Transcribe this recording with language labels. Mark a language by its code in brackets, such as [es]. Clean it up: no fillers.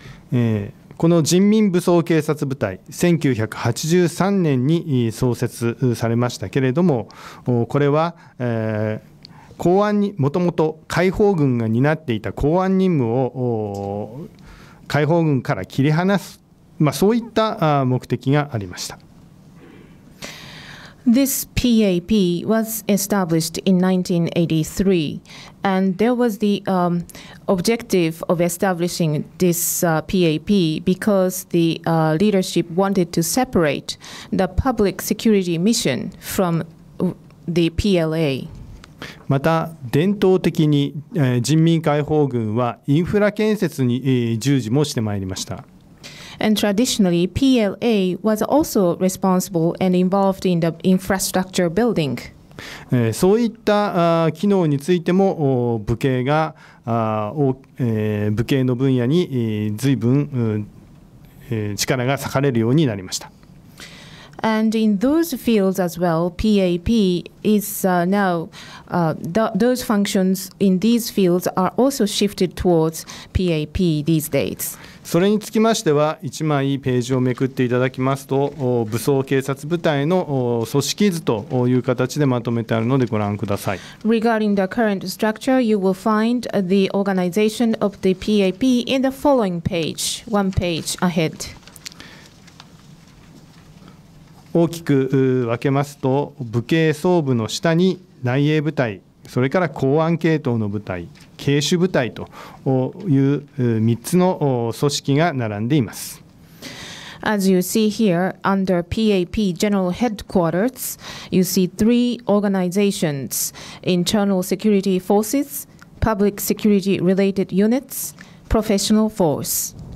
[ja] この人民武装警察部隊、1983年に創設されましたけれども、これは、公安にもともと解放軍が担っていた公安任務を解放軍から切り離す、まあ、そういった目的がありました。 [en] This PAP was established in 1983, and there was the objective of establishing this PAP because the leadership wanted to separate the public security mission from the PLA. [ja] また伝統的に人民解放軍はインフラ建設に従事もしてまいりました。 [en] And traditionally, PLA was also responsible and involved in the infrastructure building. [ja] そういった機能についても武警が武警の分野に随分力が割かれるようになりました。 [en] And in those fields as well, PAP is now, those functions in these fields are also shifted towards PAP these days. [ja] それにつきましては、1枚ページをめくっていただきますと、武装警察部隊の組織図という形でまとめてあるのでご覧ください。 [en] Regarding the current structure, you will find the organization of the PAP in the following page, one page ahead. [ja] 大きく分けますと、武警総部の下に内衛部隊、それから公安系統の部隊、警守部隊という3つの組織が並んでいます。 [en] As you see here, under PAP General Headquarters, you see three organizations: Internal Security Forces, Public Security Related Units, Professional Force.